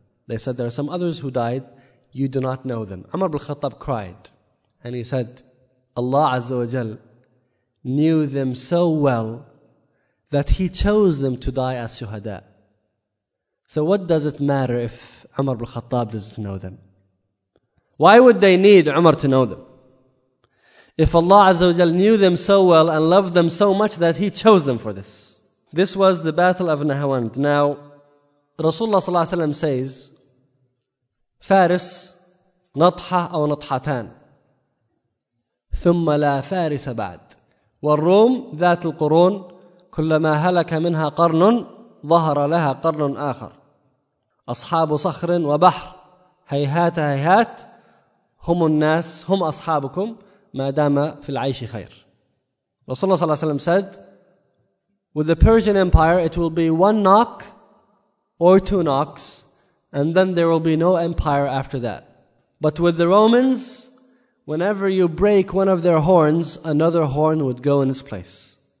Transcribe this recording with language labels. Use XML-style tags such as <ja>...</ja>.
<en>They said there are some others who died, you do not know them. Umar bin Khattab cried and he said, Allah Azza wa Jal knew them so well that he chose them to die as shuhada. So what does it matter if Umar bin Khattab doesn't know them? Why would they need Umar to know them? If Allah Azza wa Jal knew them so well and loved them so much that he chose them for this. This was the battle of Nahwand. Now, Rasulullah Sallallahu Alaihi Wasallam says,</en> <ar>فارس نطحة أو نطحتان ثم لا فارس بعد والروم ذات القرون كلما هلك منها قرن ظهر لها قرن آخر أصحاب صخر وبحر هيهات هيهات هم الناس هم أصحابكم ما دام في العيش خير.</ar> <en>Rasulullah</en> <ar>صلى الله عليه وسلم</ar> <en>said, with the Persian Empire it will be one knock or two knocks, and then there will be no empire after that. But with the Romans, whenever you break one of their horns, another horn would go in its place.</en>